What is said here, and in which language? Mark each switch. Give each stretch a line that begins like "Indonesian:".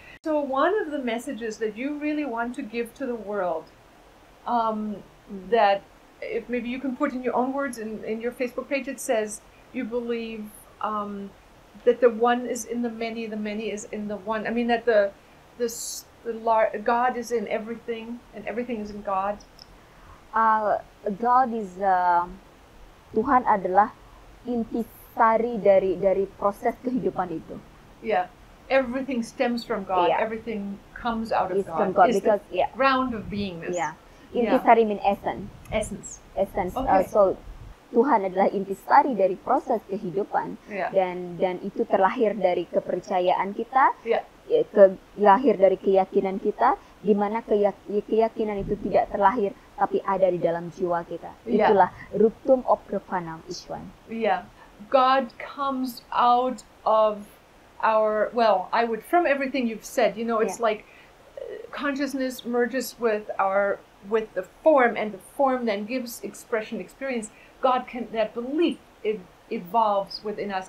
English: So one of the messages that you really want to give to the world, that if maybe you can put in your own words in your Facebook page, it says you believe that the one is in the many is in the one. I mean that God is in everything and everything is in God. God is
Indonesian: Tuhan adalah intisari dari proses kehidupan itu.
English: Yeah. Everything stems from God. Yeah. Everything comes out of it's God. From God. It's because, the ground of beingness. Yeah. Intisari means essence. Essence. Okay.
Indonesian: So, Tuhan adalah intisari dari proses kehidupan.
English: Yeah.
Indonesian: Dan itu terlahir dari kepercayaan kita.
English: Yeah.
Indonesian: Terlahir dari keyakinan kita. Di mana keyakinan itu tidak terlahir, tapi ada di dalam jiwa kita. Itulah ruptum of profanam ishwan.
English: Yeah. God comes out of from everything you've said, you know, it's like consciousness merges with the form, and the form then gives expression, experience. God can, that belief, it evolves within us.